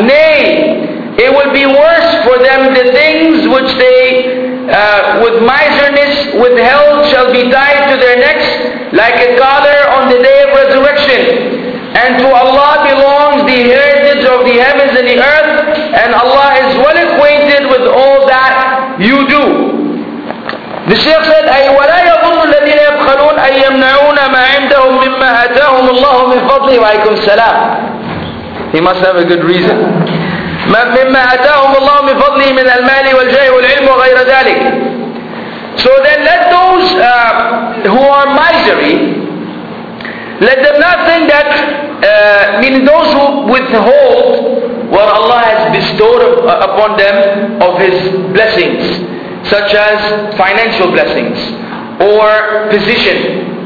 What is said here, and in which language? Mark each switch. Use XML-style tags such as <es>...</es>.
<en>Nay, it will be worse for them the things which they with miserness withheld shall be tied to their necks like a collar on the day of resurrection. And to Allah belongs the heritage of the heavens and the earth, and Allah is well acquainted with all that you do. The Shaykh said,</en> <ar>أي ولا يظن الذين يبخلون أن يمنعون ما عندهم مما أتاهم الله من فضله. وعليكم السلام.</ar> <en>He must have a good reason.</en> <ar>مما أتاهم الله من فضله من المال والجاه والعلم وغير ذلك.</ar> <en>So then let those who are misery, let them not think that meaning those who withhold what Allah has bestowed upon them of His blessings, such as financial blessings or position.</en>